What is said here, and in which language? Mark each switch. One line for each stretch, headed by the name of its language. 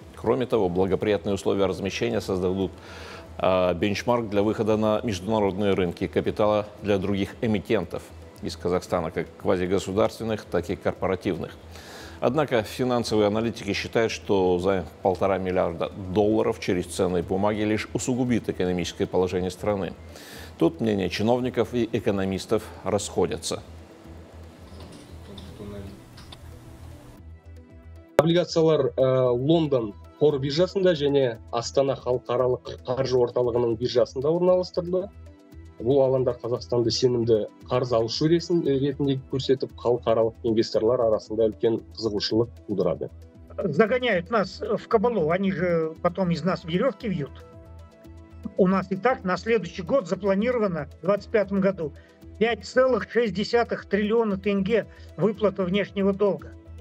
Russian: Кроме того, благоприятные условия размещения создадут бенчмарк для выхода на международные рынки капитала для других эмитентов из Казахстана, как квазигосударственных, так и корпоративных. Однако финансовые аналитики считают, что займ 1,5 миллиарда долларов через ценные бумаги лишь усугубит экономическое положение страны. Тут мнения чиновников и экономистов расходятся.
Kazakh: Облигациялар Лондон қор биржасында және Астана халықаралық қаржы орталығының биржасында орналастырылды. Бұл алаңдар Қазақстанды сенімді қарыз алушы ретінде көрсетіп, халықаралық инвесторлар арасында үлкен қызығушылық тудырады.
Russian: Загоняют нас в кабалу, они же потом из нас веревки вьют. У нас и так на следующий год запланировано, в 2025 году, 5,6 триллиона тенге выплата внешнего долга.